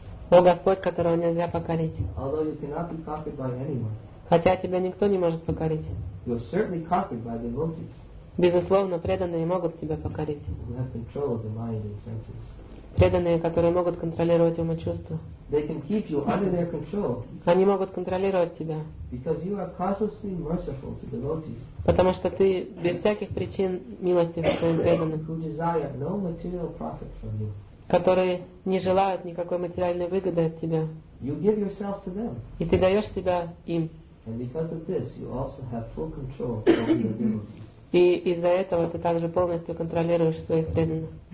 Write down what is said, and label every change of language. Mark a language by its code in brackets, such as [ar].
[ru] O Господь, которого нельзя покорить. [en] Although you cannot be conquered by anyone. [ru] Хотя тебя никто не может покорить. [en] You are certainly conquered by devotees. [ru] Безусловно, преданные могут тебя покорить. [en] You have control of the mind and senses. [ru] Преданные, которые могут контролировать ум и чувства. [en] They can keep you under their control. [ru] Они могут контролировать тебя. [en] Because you are causelessly merciful to devotees. [ru] Потому что ты без всяких причин милостив к своим преданным. [en] Who desire no material profit from you. [ru] Которые не желают никакой материальной выгоды от тебя. [en] You give yourself to them. [ru] И ты даешь себя им. [en] And because of this, you also have full control over your devotees. [ru] И из-за этого ты также полностью контролируешь своих преданных.